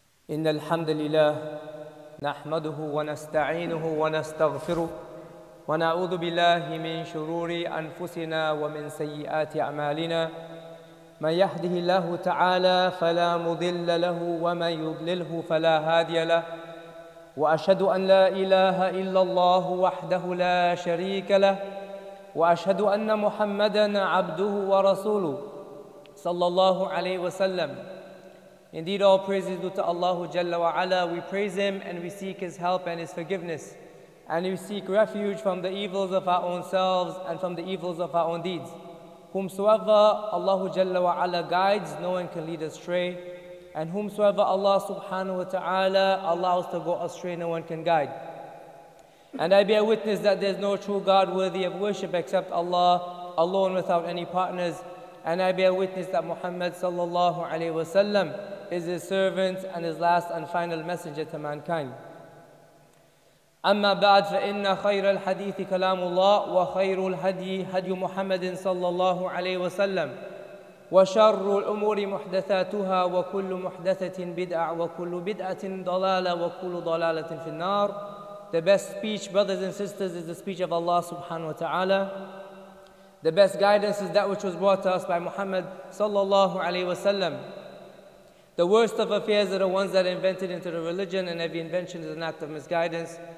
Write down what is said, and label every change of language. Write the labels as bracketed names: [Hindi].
[Arabic] إن الحمد لله نحمده ونستعينه ونستغفره ونعوذ بالله من شرور أنفسنا ومن سيئات أعمالنا، من يهده الله تعالى فلا مضل له ومن يضلله فلا هادي له، وأشهد أن لا إله إلا الله وحده لا شريك له، وأشهد أن محمدًا عبده ورسوله صلى الله عليه وسلم. [English] Indeed, all praises due to Allah Jalla wa Ala. We praise Him and we seek His help and His forgiveness. And we seek refuge from the evils of our own selves and from the evils of our own deeds. Whomsoever Allah Jalla wa Ala guides, no one can lead astray. And whomsoever Allah Subhanahu wa Ta'ala allows to go astray, no one can guide. And I bear witness that there is no true God worthy of worship except Allah, alone without any partners. And I bear witness that Muhammad sallallahu alayhi wa sallam is his servant and his last and final messenger to mankind. [Arabic] أما بعد فإن خير الحديث كلام الله وخير الهدي هدي محمد صلى الله عليه وسلم وشر الأمور محدثاتها وكل محدثة بدعة وكل بدعة ضلالة وكل ضلالة في النار. [English] The best speech, brothers and sisters, is the speech of Allah subhanahu wa ta'ala. The best guidance is that which was brought to us by Muhammad صلى الله عليه وسلم. The worst of affairs are the ones that are invented into the religion, and every invention is an act of misguidance.